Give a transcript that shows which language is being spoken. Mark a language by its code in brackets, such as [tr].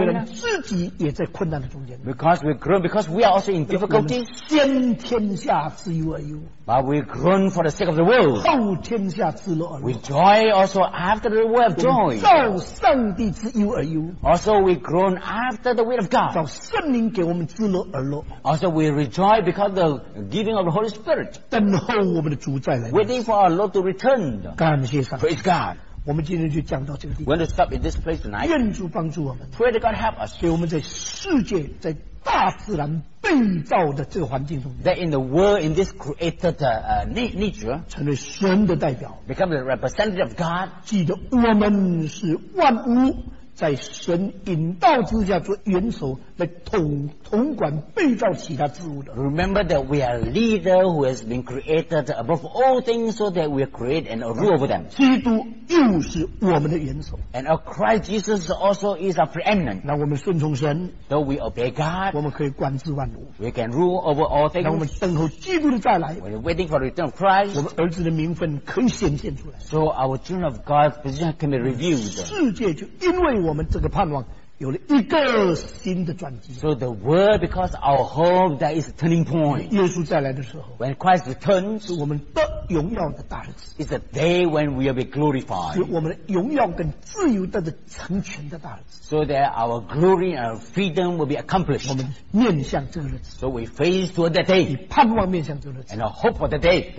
[zh] 我们自己也在困难的中间。 [en] Because we groan, because we are also in difficulty. [zh] 我们先天下之忧而忧。 [en] But we groan for the sake of the world. [zh] 后天下之乐而乐。 [en] We joy also after the way of joy. [zh] 照上帝之忧而忧。 [en] Also we groan after the will of God. [zh] 照圣灵给我们之乐而乐。 [en] Also we rejoice because of the giving of the Holy Spirit. [zh] 等候我们的主再来。 [en] Waiting for our Lord to return. [zh] 感谢上帝。 [en] Praise God. [zh] 我们今天就讲到这个地方。 [en] We're going to stop in this place tonight. [zh] 愿主帮助我们。 [en] Pray that God help us. [zh] 给我们在世界在大自然被造的这个环境中 [en] that in the world in this created nature [zh] 成为神的代表 [en] become the representative of God [zh] 记得我们是万物在神引导之下做元首来 统管被造其他事物的 [en] remember that we are leader who has been created above all things so that we create and rule over them [zh] 基督又是我们的元首 [en] and our Christ Jesus also is our preeminent [zh] 那我们顺从神 [en] though we obey God [zh] 我们可以管制万物 [en] we can rule over all things [zh] 那我们等候基督的再来 [en] we are waiting for the return of Christ [zh] 我们儿子的名分可以显现出来 [en] so our children of God's position can be revealed [zh] 世界就因为我们这个盼望有了一个新的转机。 [en] So the world because our hope that is a turning point. [zh] 耶稣再来的时候 [en] when Christ returns, [zh] 是我们的荣耀的大日子。 [en] It's a day when we will be glorified. [zh] 是我们的荣耀跟自由得的成全的大日子。 [en] So that our glory and our freedom will be accomplished. [zh] 我们面向这个日子。 [en] So we face toward that day. [zh] 以盼望面向这个日子。 [en] And our hope for that day.